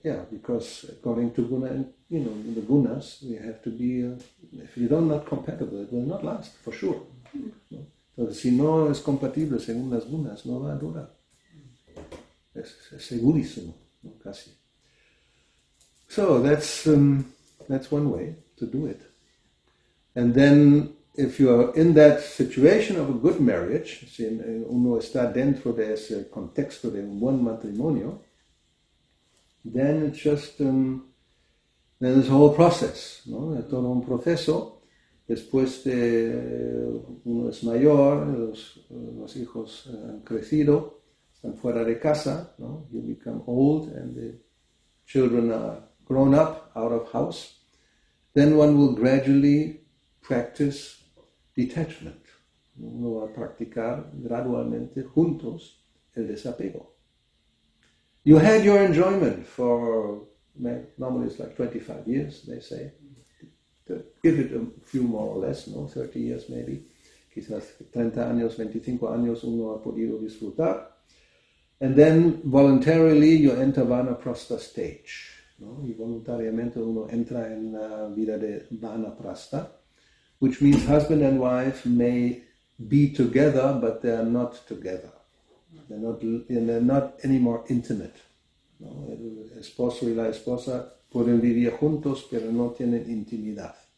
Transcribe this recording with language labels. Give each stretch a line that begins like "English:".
English: Because according to Guna, the Gunas, we have to be, if you don't not compatible, it will not last, for sure. Mm-hmm.
Spanish: No? So, si no es compatible según las Gunas, no va a durar. Es segurísimo, no? Casi.
English: So, that's one way to do it. And then, if you are in that situation of a good marriage,
Spanish: si uno está dentro de ese contexto de un buen matrimonio,
English: then it's just then this whole process, no?
Spanish: Es todo un proceso. Después de uno es mayor, los hijos han crecido, están fuera de casa, no?
English: You become old and the children are grown up out of house, then one will gradually practice detachment.
Spanish: Uno va a practicar gradualmente juntos el desapego.
English: You had your enjoyment for, normally it's like 25 years, they say. Give it a few more or less, no? 30 years maybe.
Spanish: Quizás 30 años, 25 años uno ha podido disfrutar.
English: And then voluntarily you enter Vanaprastha stage. No?
Spanish: Y voluntariamente uno entra en la vida de Vanaprastha,
English: which means husband and wife may be together, but they are not together. They're not any more intimate. No?
Spanish: El esposo y la esposa pueden vivir juntos, pero no tienen intimidad.